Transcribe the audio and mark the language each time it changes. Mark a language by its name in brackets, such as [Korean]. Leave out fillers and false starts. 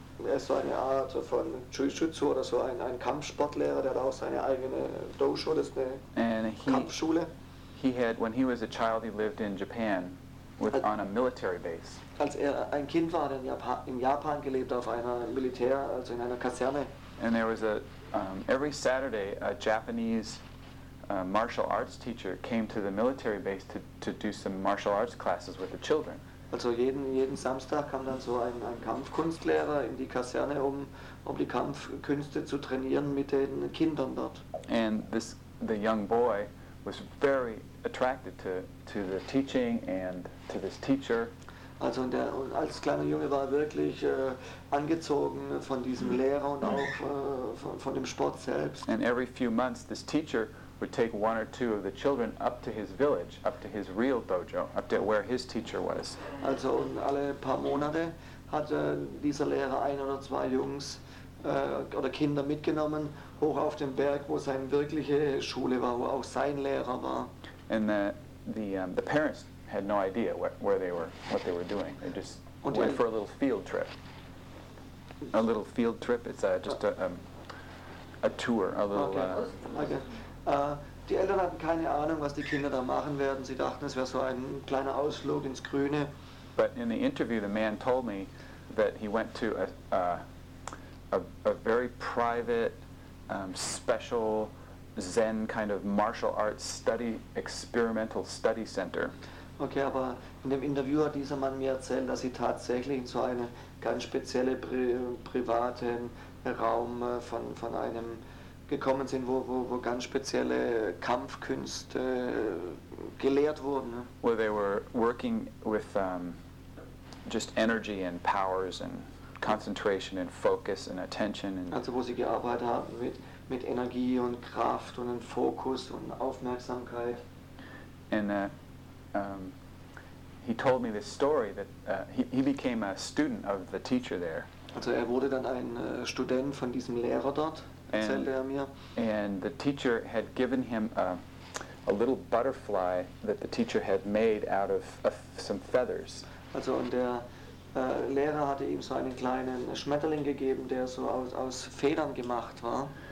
[German] Er ist so eine Art von Jiu-Jitsu oder so ein Kampfsportlehrer, der hat auch seine eigene Dojo, das ist eine Kampfschule. [English] He had, when he was a child, he lived in Japan on a military base. [German] Als er ein Kind war, hat er in Japan gelebt auf einer Militär, also in einer Kaserne. [English] And there was a, every Saturday, a Japanese martial arts teacher came to the military base to do some martial arts classes with the children. [German] Also jeden Samstag kam dann so ein Kampfkunstlehrer in die Kaserne, um die Kampfkünste zu trainieren mit den Kindern dort. [English] And this, the young boy was very attracted to the teaching and to this teacher. [German] Also als kleiner Junge war er wirklich angezogen von diesem Lehrer und auch von dem Sport selbst. [English] And every few months this teacher would take one or two of the children up to his village, up to his real dojo, up to where his teacher was. [German] Also alle paar Monate hat dieser Lehrer ein oder zwei Jungs oder Kinder mitgenommen hoch auf den Berg, wo seine wirkliche Schule war, wo auch sein Lehrer war. [English] And the parents had no idea what they were doing. They just went for a little field trip. A little field trip. It's just a tour. A little. Okay. [German] Die Eltern hatten keine Ahnung, was die Kinder da machen werden. Sie dachten, es wäre so ein kleiner Ausflug ins Grüne. [English] But in the interview, the man told me that he went to a very private, special Zen kind of martial arts study, experimental study center. [German] Okay, aber in dem Interview hat dieser Mann mir erzählt, dass sie tatsächlich in so eine ganz spezielle privaten Raum von einem gekommen sind, wo ganz spezielle Kampfkünste gelehrt wurden. [English] Where they were working with just energy and powers and concentration and focus and attention. And [German] also wo sie gearbeitet haben mit Energie und Kraft und Fokus und Aufmerksamkeit. [English] And he told me this story that he became a student of the teacher there. [German] Also er wurde dann ein Student von diesem Lehrer dort. [English] And the teacher had given him a little butterfly that the teacher had made out of some feathers. [German] Also und der Lehrer hatte ihm so einen kleinen Schmetterling gegeben, der so aus Federn gemacht war.